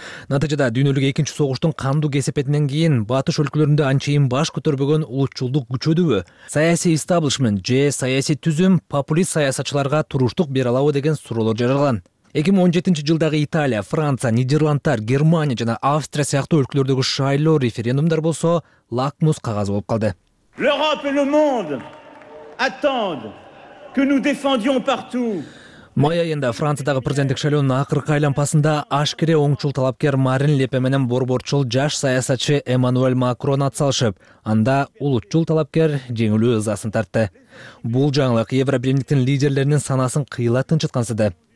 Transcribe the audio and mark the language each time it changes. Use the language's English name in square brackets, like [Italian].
[Kyrgyz] Натыйжада дүйнөлүк экинчи согуштун кандуу кесепетинен кийин батыш өлкөлөрүндө анчейин баш көтөрбөгөн улутчулдук күчөдүбү? Саясий истаблишмент же саясий түзүм популист саясатчыларга туруштук бере алабы деген суроолор жаралган. 2017 жылдагы Италия, Франция, Нидерландтар, Германия жана Австрия сыяктуу өлкөлөрдөгү шайлоо референдумдар болсо лакмус кагазы болуп калды. [French] L'Europe et le monde attendent que nous défendions partout. [Kyrgyz] Май айында Франциядагы президенттик шайлоонун акыркы айлампасында ашкере оңчул талапкер Марин Ле Пен менен борборчул жаш саясатчы Эммануэль Макрон атсалышып, анда улутчул талапкер жеңилүү ызасын тартты. Бул жаңылык Евробиримдиктин лидерлеринин санасын кыйла тынчытканса да.